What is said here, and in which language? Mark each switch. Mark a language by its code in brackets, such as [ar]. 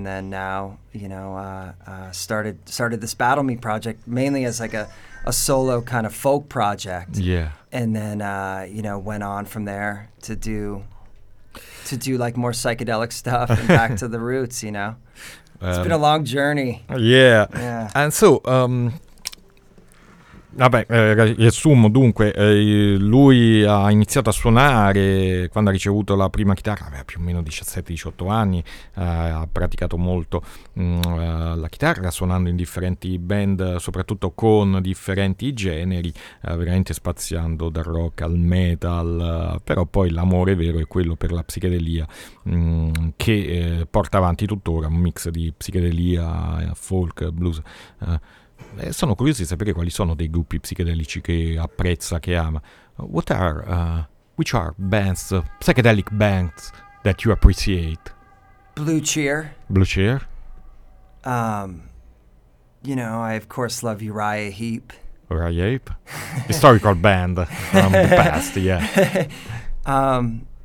[en] And then now, you know, started this Battle Me project mainly as like a solo kind of folk project. Yeah. And then, you know, went on from there to do like more psychedelic stuff and back to the roots, you know. It's been a long journey. Yeah. And so, [it] vabbè, riassumo, dunque, lui ha iniziato a suonare quando ha ricevuto la prima chitarra, aveva più o meno 17-18 anni, ha praticato molto la chitarra suonando in differenti band, soprattutto con differenti generi, veramente spaziando dal rock al metal, però poi l'amore vero è quello per la psichedelia che porta avanti tuttora, un mix di psichedelia, folk, blues. Sono curioso di sapere quali sono dei gruppi psichedelici che apprezza, che ama. [en] What are which are bands, psychedelic bands that you appreciate? Blue Cheer. You know, I of course love Uriah Heep. Uriah Heep? Historical band from the past, yeah.